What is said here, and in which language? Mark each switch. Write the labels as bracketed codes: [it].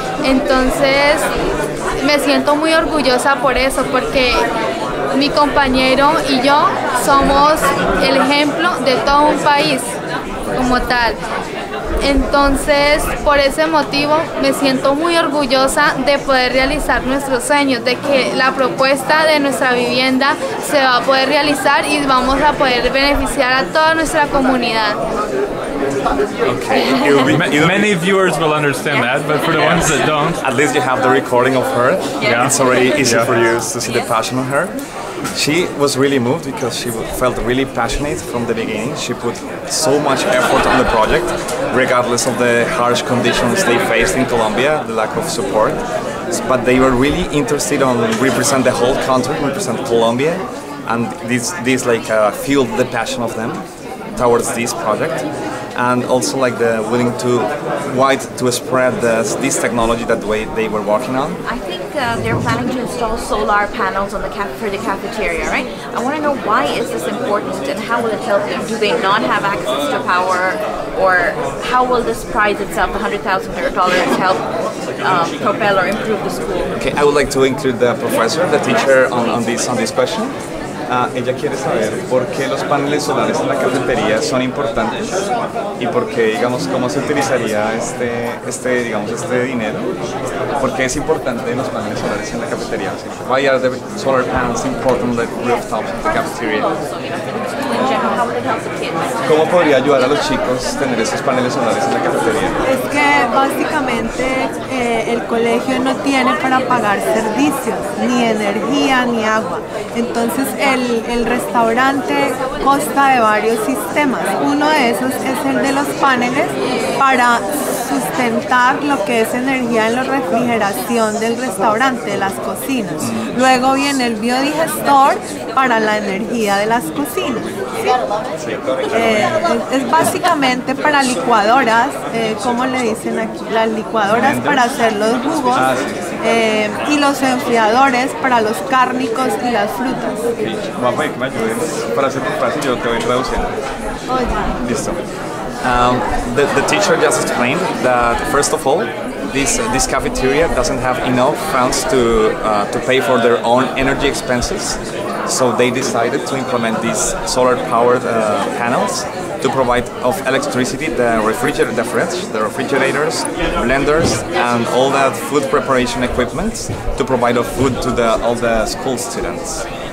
[es] Entonces me siento muy orgullosa por eso, porque mi compañero y yo somos el ejemplo de todo un país como tal. Entonces, por ese motivo, me siento muy orgullosa de poder realizar nuestros sueños, de que la propuesta de nuestra vivienda se va a poder realizar y vamos a poder beneficiar a toda nuestra comunidad. [en] Okay. Many viewers will understand that, but for the ones that don't, at least you have the recording of her. Yeah. It's already easy for you to see the passion on her. She was really moved because she felt really passionate from the beginning. She put so much effort on the project, regardless of the harsh conditions they faced in Colombia, the lack of support. But they were really interested on represent the whole country, represent Colombia, and this like fueled the passion of them towards this project. And also like the willing to wide to spread this technology that way they were working on. I think they're planning to install solar panels on for the cafeteria, right? I want to know, why is this important and how will it help them? Do they not have access to power, or how will this prize itself, $100,000, help propel or improve the school? Okay, I would like to include the professor, the teacher, on this question. [es] Ella quiere saber por qué los paneles solares en la cafetería son importantes y por qué, digamos, cómo se utilizaría este dinero. ¿Por qué es importante los paneles solares en la cafetería? [en] Why are the solar panels important on the rooftops of the cafeteria? [es] ¿Cómo podría ayudar a los chicos tener esos paneles solares en la cafetería? Es que básicamente el colegio no tiene para pagar servicios, ni energía, ni agua. Entonces el restaurante consta de varios sistemas. Uno de esos es el de los paneles para sustentar lo que es energía en la refrigeración del restaurante, de las cocinas. Luego viene el biodigestor para la energía de las cocinas. Es básicamente para licuadoras, como le dicen aquí, las licuadoras para hacer los jugos, y los enfriadores para los cárnicos y las frutas. Mamá, que me ayuden para hacer tu frase, yo te voy traduciendo. Listo. [en] The teacher just explained that first of all, this cafeteria doesn't have enough funds to pay for their own energy expenses, so they decided to implement these solar powered panels to provide of electricity the refrigerators, blenders, and all that food preparation equipment to provide of food to all the school students.